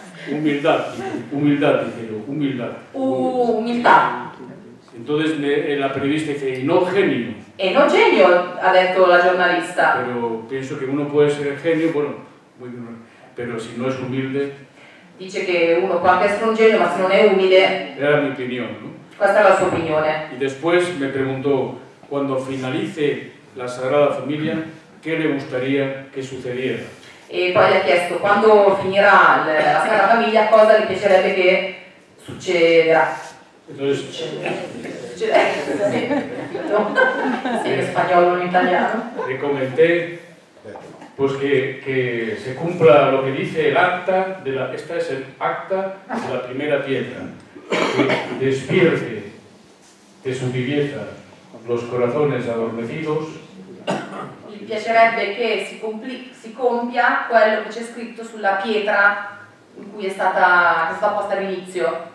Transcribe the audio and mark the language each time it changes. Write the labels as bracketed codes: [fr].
[es] Humildad, humildad, dijeron, humildad. Humildad. Entonces la periodista dice, no genio. [it] E no genio, ha detto la giornalista. [es] Pero pienso que uno puede ser genio, bueno, muy bien. pero si no es humilde. Dice que [it] uno può anche essere un genio, ma se non è umile. Era mi opinione, no? Questa è la sua opinione. [es] Y después me preguntó, cuando finalice la Sagrada Familia, ¿qué le gustaría que sucediera? [it] E poi le ha chiesto, quando finirà la Sagrada Familia, cosa le piacerebbe che succederà? [es] Entonces, [it] succederà. Sì, in spagnolo o in italiano. [es] Le commenté, pues que se cumpla lo que dice el acta, esta es el acta de la primera piedra, que despierte de su vivienda los corazones adormecidos. [it] Mi piacerebbe che si compia quello che c'è scritto sulla pietra in cui che è stata posta all'inizio.